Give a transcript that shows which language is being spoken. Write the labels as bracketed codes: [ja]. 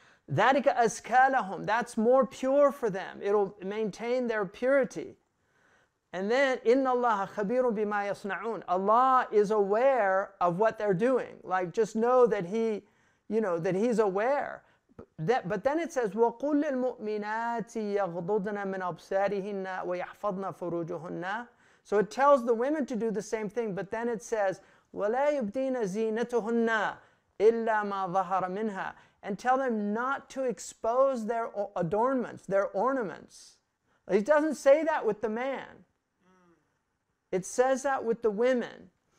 [ar] ذَلِكَ أَسْكَالَهُمْ, [en] that's more pure for them. It'll maintain their purity. And then, [ar] إِنَّ اللَّهَ خَبِيرٌ بِمَا يَصْنَعُونَ, [en] Allah is aware of what they're doing. Like, just know that He, you know, that He's aware. But then it says, [ar] وَقُلْ لِلْمُؤْمِنَاتِ يَغْضُضْنَ مِنْ أَبْصَارِهِنَّ وَيَحْفَظْنَ فُرُوجُهُنَّ. [en] So it tells the women to do the same thing, but then it says, [ar] وَلَا يُبْدِينَ زِينَتُهُنَّ إِلَّا مَا ظَهَرَ مِنْهَا, [en] and tell them not to expose their adornments, their ornaments. He doesn't say that with the man. It says that with the women.